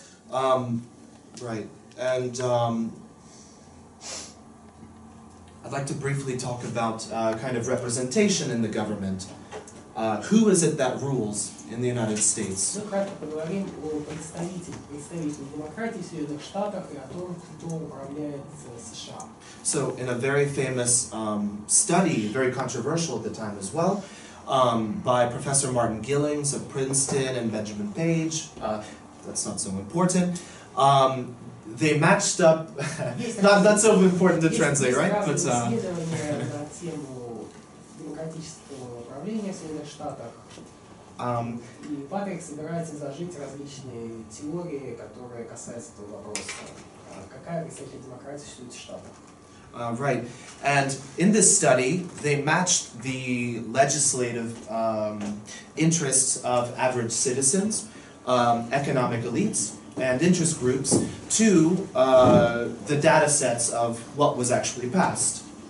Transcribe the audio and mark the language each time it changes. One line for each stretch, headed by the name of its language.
English: Right, and I'd like to briefly talk about kind of representation in the government. Who is it that rules in the United States?
Russian: Мы кратко поговорим о представителях демократии в Соединенных Штатах и о том, кто управляет США.
English: So, in a very famous study, very controversial at the time as well, by Professor Martin Gillings of Princeton and Benjamin Page, that's not so important, they matched up, not so important to translate, right? But,
Russian: и Патрик собирается зажить различные теории, которые касаются этого вопроса. Какая представительная демократия существует в Штатах?
English: Right. And in this study, they matched the legislative interests of average citizens, economic elites, and interest groups to the data sets of what was actually passed.